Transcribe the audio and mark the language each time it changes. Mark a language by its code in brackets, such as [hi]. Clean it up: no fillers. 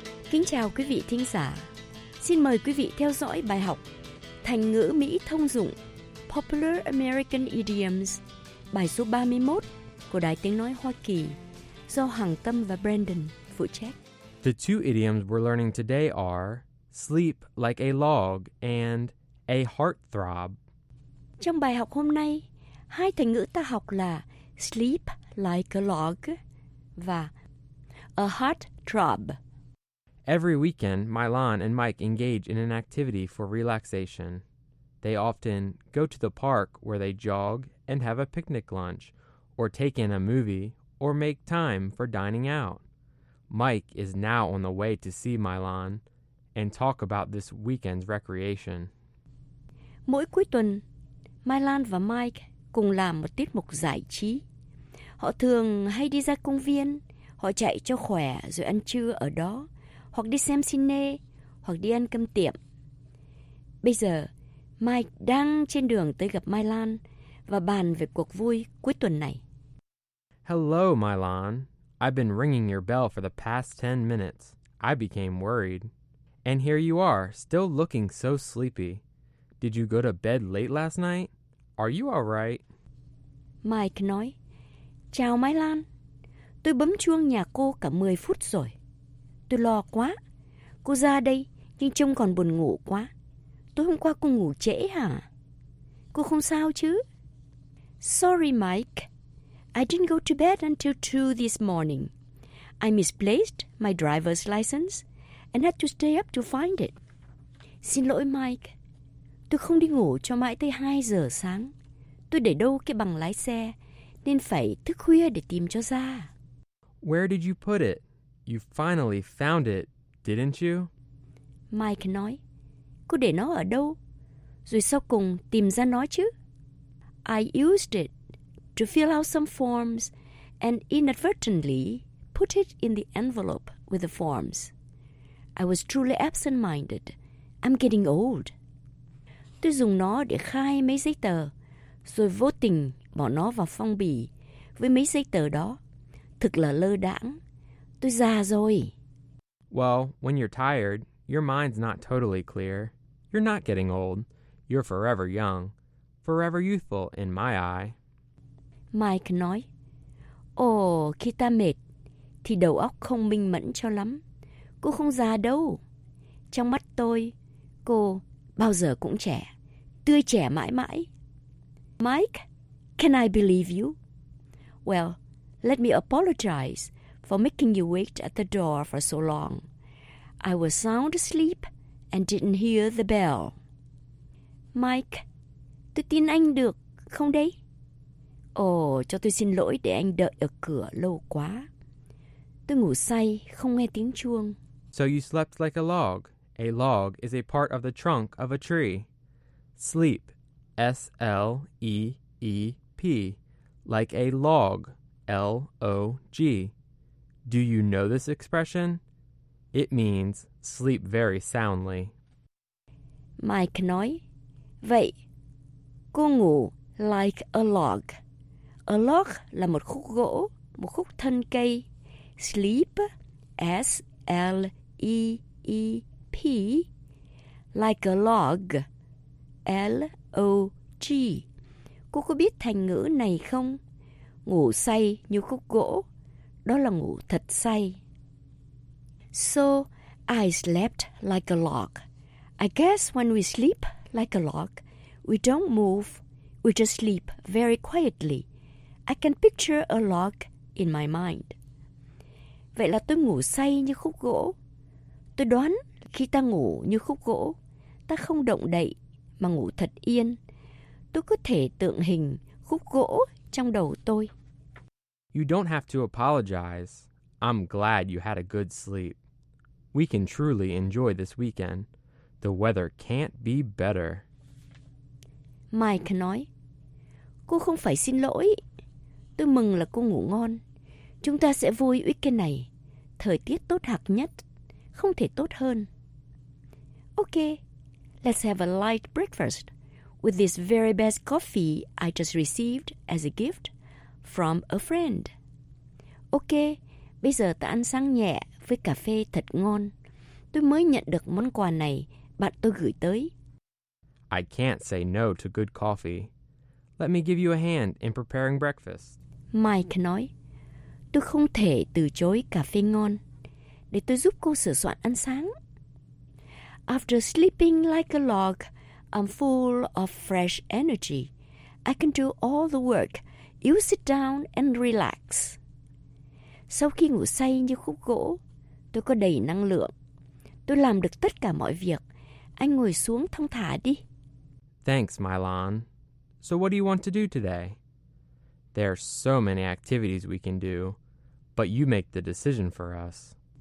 [vi] Kính chào quý vị thính giả. Xin mời quý vị theo dõi bài học Thành ngữ Mỹ thông dụng [en] Popular American Idioms [vi] bài số 31 của Đài Tiếng Nói Hoa Kỳ do Hằng Tâm và Brandon phụ trách. [en] The two idioms we're learning today are sleep like a log and a heartthrob. [vi] Trong bài học hôm nay, hai thành ngữ ta học là [en] sleep like a log [vi] và [en] a heartthrob. Every weekend, Milan and Mike engage in an activity for relaxation. They often go to the park where they jog and have a picnic lunch, or take in a movie, or make time for dining out. Mike is now on the way to see Milan and talk about this weekend's recreation. [vi] Mỗi cuối tuần, Milan và Mike cùng làm một tiết mục giải trí. Họ thường hay đi ra công viên, họ chạy cho khỏe rồi ăn trưa ở đó. Hoặc đi xem cine, hoặc đi ăn cơm tiệm. Bây giờ, Mike đang trên đường tới gặp Milan và bàn về cuộc vui cuối tuần này. [en] Hello, Milan. I've been ringing your bell for the past 10 minutes. I became worried. And here you are, still looking so sleepy. Did you go to bed late last night? Are you all right? [vi] Mike nói, chào Milan. Tôi bấm chuông nhà cô cả 10 phút rồi. Tôi lo quá. Cô ra đây, nhưng trông còn buồn ngủ quá. Tối hôm qua cô ngủ trễ hả? Cô không sao chứ? [en] Sorry, Mike. I didn't go to bed until 2 this morning. I misplaced my driver's license and had to stay up to find it. [vi] Xin lỗi, Mike. Tôi không đi ngủ cho mãi tới 2 giờ sáng. Tôi để đâu cái bằng lái xe, nên phải thức khuya để tìm cho ra. [en] Where did you put it? You finally found it, didn't you? [vi] Mike nói, cô để nó ở đâu? Rồi sau cùng tìm ra nó chứ? [en] I used it to fill out some forms and inadvertently put it in the envelope with the forms. I was truly absent-minded. I'm getting old. [vi] Tôi dùng nó để khai mấy giấy tờ, rồi vô tình bỏ nó vào phong bì với mấy giấy tờ đó. Thực là lơ đãng. Tôi già rồi. [en] Well, when you're tired, your mind's not totally clear. You're not getting old. You're forever young. Forever youthful in my eye. [vi] Mike nói, Ồ, khi ta mệt, thì đầu óc không minh mẫn cho lắm. Cô không già đâu. Trong mắt tôi, cô bao giờ cũng trẻ. Tươi trẻ mãi mãi. [en] Mike, can I believe you? Well, let me apologize for making you wait at the door for so long. I was sound asleep and didn't hear the bell. [vi] Mike, tôi tin anh được, không đấy? Ồ, cho tôi xin lỗi để anh đợi ở cửa lâu quá. Tôi ngủ say, không nghe tiếng chuông. [en] So you slept like a log. A log is a part of the trunk of a tree. Sleep, S-L-E-E-P, like a log, L-O-G. Do you know this expression? It means sleep very soundly. [vi] Mike nói, vậy, cô ngủ [en] like a log. [vi] A log là một khúc gỗ, một khúc thân cây. [en] Sleep, S-L-E-E-P, like a log, L-O-G. [vi] Cô có biết thành ngữ này không? Ngủ say như khúc gỗ, đó là ngủ thật say. [en] So, I slept like a log. I guess when we sleep like a log, we don't move, we just sleep very quietly. I can picture a log in my mind. [vi] Vậy là tôi ngủ say như khúc gỗ. Tôi đoán khi ta ngủ như khúc gỗ, ta không động đậy mà ngủ thật yên. Tôi có thể tượng hình khúc gỗ trong đầu tôi. [en] You don't have to apologize. I'm glad you had a good sleep. We can truly enjoy this weekend. The weather can't be better. [vi] Mike nói, cô không phải xin lỗi. Tôi mừng là cô ngủ ngon. Chúng ta sẽ vui weekend này. Thời tiết tốt hạc nhất. Không thể tốt hơn. [en] Okay, let's have a light breakfast with this very best coffee I just received as a gift from a friend. [vi] Okay, bây giờ ta ăn sáng nhẹ với cà phê thật ngon. Tôi mới nhận được món quà này bạn tôi gửi tới. [en] I can't say no to good coffee. Let me give you a hand in preparing breakfast. [vi] Mike nói, tôi không thể từ chối cà phê ngon. Để tôi giúp cô sửa soạn ăn sáng. [en] After sleeping like a log, I'm full of fresh energy. I can do all the work. You sit down and relax. [vi] Sau khi ngủ say như khúc gỗ, tôi có đầy năng lượng. Tôi làm được tất cả mọi việc. Anh ngồi xuống thong thả đi. [en] Thanks, Mylon. So what do you want to do today? There are so many activities we can do, but you make the decision for us.